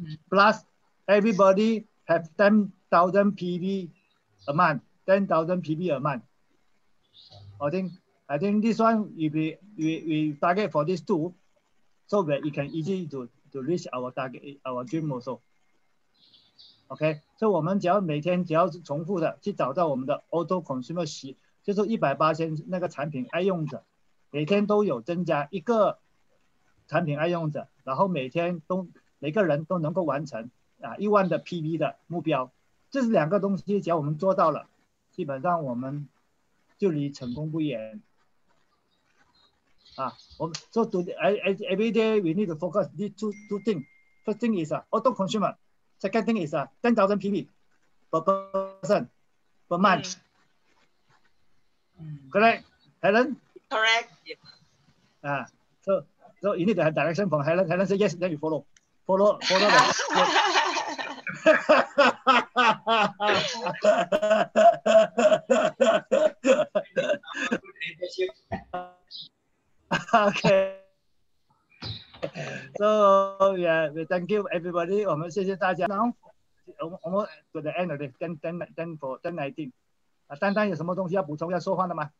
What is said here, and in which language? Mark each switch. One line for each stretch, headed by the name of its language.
English: Plus, everybody have 10,000 PV a month, 10,000 PV a month. I think this one, if we target for these two, so that it can easy to reach our target, our dream also. Okay, so
Chinese: 我们只要每天重复的去找到我们的 auto consumer 就是180%那个产品爱用者，每天都有增加一个产品爱用者，然后每天都每个人都能够完成一万的 PV 的目标，这是两个东西，只要我们做到了，基本上我们就离成功不远。
English: Every day we need to focus these two things. First thing is auto consumer. Second thing is 10,000 PV per person per month. Correct, Helen? Correct. So you need to have direction from Helen. Helen says yes, then you follow. Follow. Okay. So yeah, thank you everybody.
Chinese: 我们谢谢大家。
English: Now, almost to the end of the ten for 10:19.
Chinese: 丹丹有什么东西要补充要说话的吗？